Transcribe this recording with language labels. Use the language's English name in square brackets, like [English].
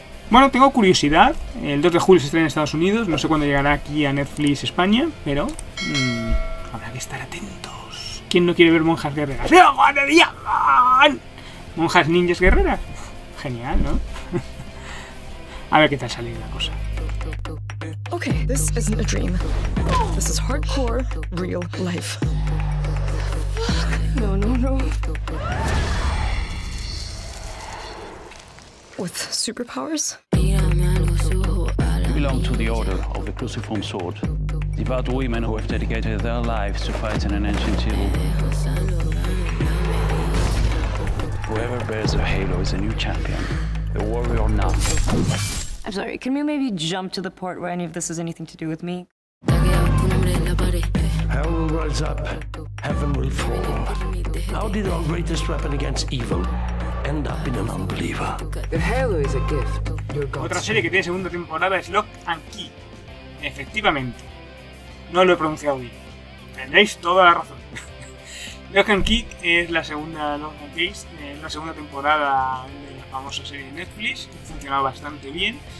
[Spanish] Bueno, tengo curiosidad. El 2 de julio se estrena en Estados Unidos. No sé cuándo llegará aquí a Netflix España, pero habrá que estar atentos. ¿Quién no quiere ver monjas guerreras? ¡Ojo de diamán! ¿Monjas ninjas guerreras? Uf, genial, ¿no? A ver qué tal sale la cosa. [English] Ok, this isn't a dream. This is hardcore, real life. No, no, no. With superpowers? You belong to the Order of the Cruciform Sword. Devout women who have dedicated their lives to fight in an ancient evil. Whoever bears a halo is a new champion, a warrior now. I'm sorry, can we maybe jump to the part where any of this has anything to do with me? Hell will rise up, heaven will fall. How did our greatest weapon against evil end up in an unbeliever? The Halo is a gift. [Spanish] Otra serie que tiene segunda temporada es Lock and Key. Efectivamente, no lo he pronunciado bien. Tendréis toda la razón. Lock and Key es la segunda temporada de la famosa serie de Netflix, que funciona bastante bien.